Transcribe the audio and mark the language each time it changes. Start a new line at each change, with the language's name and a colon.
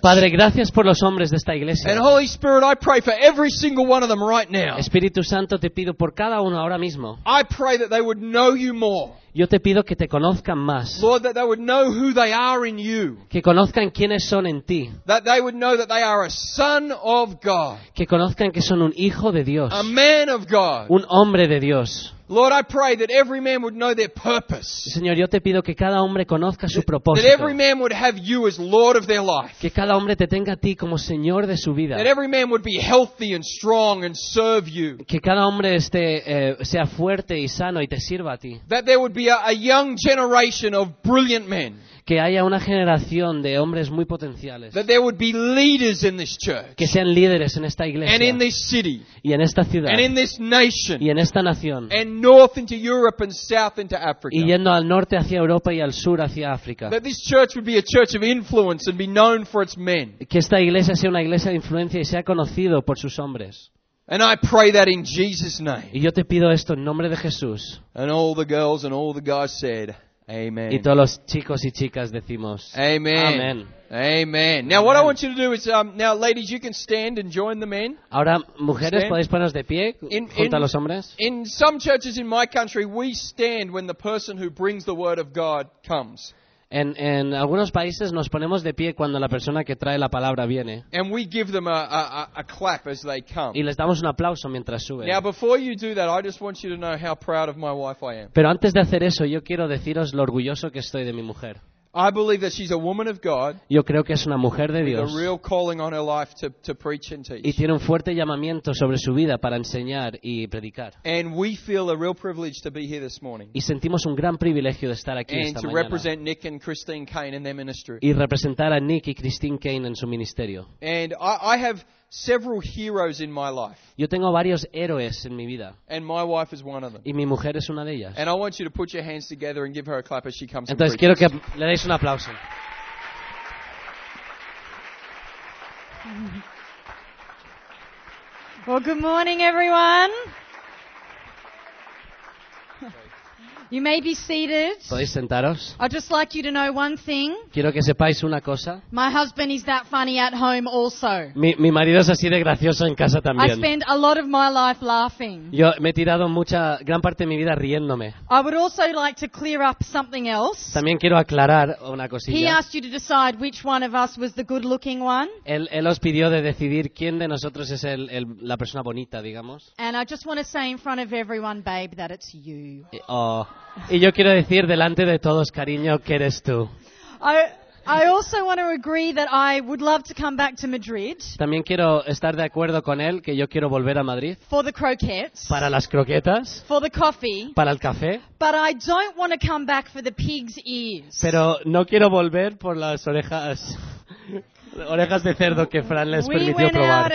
Spanish: Padre, gracias por los hombres de esta iglesia.
English: And Holy Spirit, I pray for every single one of them right now.
Spanish: Espíritu Santo, te pido por cada uno ahora mismo.
English: I pray that they would know you more.
Spanish: Yo te pido que te conozcan más.
English: Lord, that they would know who they are in you.
Spanish: Que conozcan quiénes son en ti.
English: That they would know that they are a son of God.
Spanish: Que conozcan que son un hijo de Dios.
English: A man of God.
Spanish: Un hombre de Dios.
English: Lord, I pray that every man would know their purpose.
Spanish: Señor, yo te pido que cada hombre conozca su propósito.
English: That every man would have you as Lord of their life.
Spanish: Que cada hombre te tenga a ti como Señor de su vida.
English: That every man would be healthy and strong and serve you.
Spanish: Que cada hombre esté sea fuerte y sano y te sirva a ti.
English: That there would be a young generation of brilliant men.
Spanish: que haya una generación de hombres muy potenciales.
English: That there would be leaders in this church.
Spanish: Que sean líderes en esta iglesia.
English: And in this city.
Spanish: Y en esta ciudad.
English: And in this nation.
Spanish: Y en esta nación.
English: And north into Europe and south into Africa.
Spanish: Y yendo al norte hacia Europa y al sur hacia África.
English: That this church would be a church of influence and be known for its men.
Spanish: Que esta iglesia sea una iglesia de influencia y sea conocido por sus hombres.
English: And I pray that in Jesus' name.
Spanish: Y yo te pido esto en nombre de Jesús.
English: And all the girls and all the guys said, Amen.
Spanish: Y todos los chicos y chicas decimos,
English: Amen. Amen. Amen. Now what I want you to do is, now ladies, you can stand and join the men.
Spanish: Ahora mujeres
English: stand.
Spanish: Podéis poneros de pie junto a los hombres.
English: In some churches in my country, we stand when the person who brings the word of God comes.
Spanish: En algunos países nos ponemos de pie cuando la persona que trae la palabra viene.
English: And we give them a clap as they come.
Spanish: Y les damos un aplauso mientras suben.
English: Now before you do that, I just want you to know how proud of my wife I am.
Spanish: Pero antes de hacer eso, yo quiero deciros lo orgulloso que estoy de mi mujer.
English: I believe that she's a woman of God.
Spanish: Yo creo que es una mujer de Dios.
English: With a real calling on her life to preach and teach.
Spanish: Y tiene un fuerte llamamiento sobre su vida para enseñar y predicar.
English: And we feel a real privilege to be here this morning.
Spanish: Y sentimos un gran privilegio de estar aquí
English: and
Spanish: esta mañana.
English: And to represent Nick and Christine Kane in their ministry.
Spanish: Y representar a Nick y Christine Kane en su ministerio.
English: And I have several heroes in my life.
Spanish: Yo tengo varios héroes en mi vida.
English: And my wife is one of them.
Spanish: Y mi mujer es una de ellas.
English: And I want you to put your hands together and give her a clap as she comes.
Spanish: Entonces quiero que le deis un aplauso.
English: Well, good morning, everyone. You may be seated.
Spanish: ¿Podéis sentaros?
English: I'd just like you to know one thing.
Spanish: Quiero que sepáis una cosa.
English: My husband is that funny at home also.
Spanish: Mi marido es así de gracioso en casa también.
English: I spend a lot of my life laughing.
Spanish: Yo me he tirado gran parte de mi vida riéndome.
English: I would also like to clear up something else.
Spanish: También quiero aclarar una cosilla.
English: He asked you to decide which one of us was the good-looking one.
Spanish: Él os pidió de decidir quién de nosotros es la persona bonita, digamos.
English: And I just want to say in front of everyone, babe, that it's you. Oh.
Spanish: Y yo quiero decir delante de todos, cariño, que eres tú.
English: I also want to agree that I would love to come back to Madrid.
Spanish: También quiero estar de acuerdo con él que yo quiero volver a Madrid.
English: For the croquettes.
Spanish: Para las croquetas.
English: For the coffee.
Spanish: Para el café.
English: But I don't want to come back for the pig's ears.
Spanish: Pero no quiero volver por las orejas. Orejas de cerdo que Fran les permitió probar.